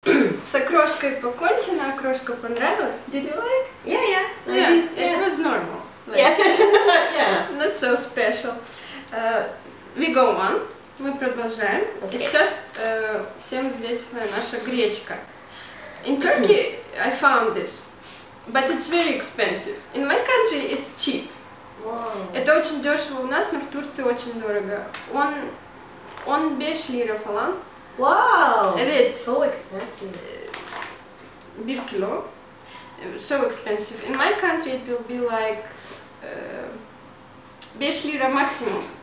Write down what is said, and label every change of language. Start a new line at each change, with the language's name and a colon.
Russian: С окрошкой покончено. Окрошка понравилась.
English: Did you like? Yeah. It was normal. Like, not so special. We go on.
Russian: Мы продолжаем. Okay. И сейчас всем известная наша гречка.
English: In Turkey I found this, but it's very expensive. In my country it's cheap. Wow.
Russian: Это очень дешево у нас, но в Турции очень дорого.
Turkish: Он 5 лира фалан.
English: Wow. It is so expensive.
Turkish: Bir kilo.
English: So expensive. In my country it will be like 5
Russian: лира максимум.